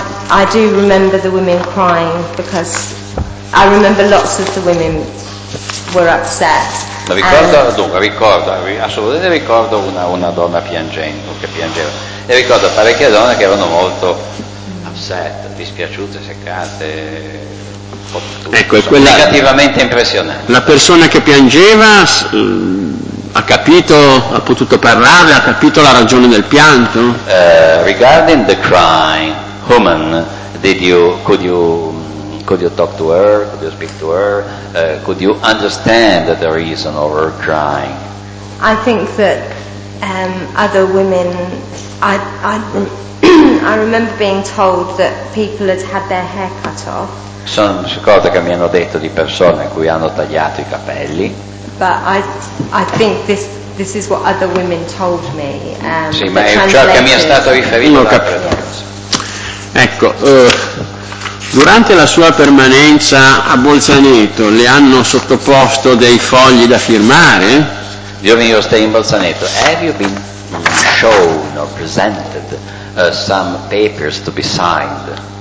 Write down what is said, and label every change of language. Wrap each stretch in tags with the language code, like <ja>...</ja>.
<en>I do remember the women crying because I remember lots of the women were upset.</en> <it>Ma ricordo, assolutamente ricordo una donna piangendo, che piangeva. E ricordo parecchie donne che erano molto dispiaciute, seccate, ecco, quella, negativamente impressionate. La persona che piangeva ha capito, ha potuto parlare, ha capito la ragione del pianto?</it> <en>Regarding the crying woman, could you talk to her? Could you speak to her? Could you understand the reason of her crying? I think that other women, I remember being told that people had had their hair cut off.</en> <it>Sono cose che mi hanno detto di persone a cui hanno tagliato i capelli.</it> <en>But I think this is what other women told me.</en> <it>Sì, ma è ciò che mi è stato riferito. Ecco, durante la sua permanenza a Bolzaneto le hanno sottoposto dei fogli da firmare?</it> <en>During your stay in Bolzaneto, have you been shown or presented some papers to be signed?</en>